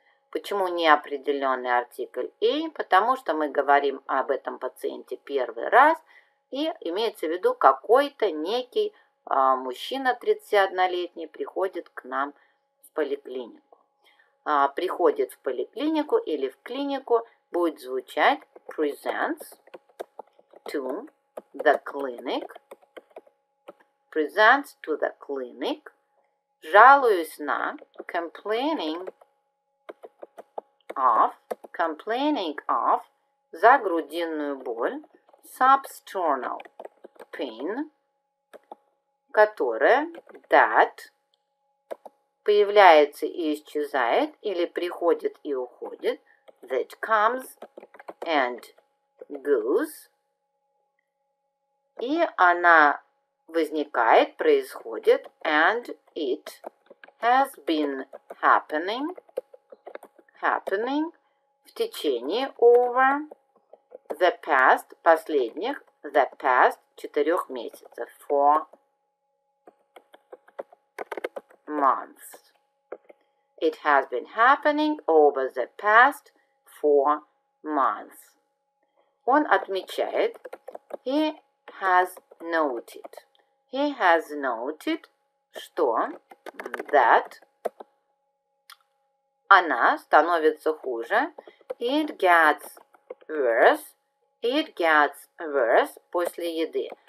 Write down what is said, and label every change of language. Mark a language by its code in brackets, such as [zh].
[ru] Почему неопределенный артикль A? Потому что мы говорим об этом пациенте первый раз. И имеется в виду какой-то некий мужчина 31-летний приходит к нам в поликлинику. Приходит в поликлинику или в клинику будет звучать presents. [en] To the clinic, presents to the clinic, [ru] жалуюсь на, [en] complaining of, [ru] за грудинную боль, [en] substernal pain, [ru] которая, [en] that, [ru] появляется и исчезает, или приходит и уходит, [en] that comes and goes, [ru] и она возникает, происходит, [en] and it has been happening [ru] в течение [en] over the past, [ru] последних, [en] the past [ru] 4 месяцев, [en] 4 months. It has been happening over the past 4 months. [ru] Он отмечает, [en] He has noted, [ru] что [en] that [ru] она становится хуже. [en] It gets worse [ru] после еды.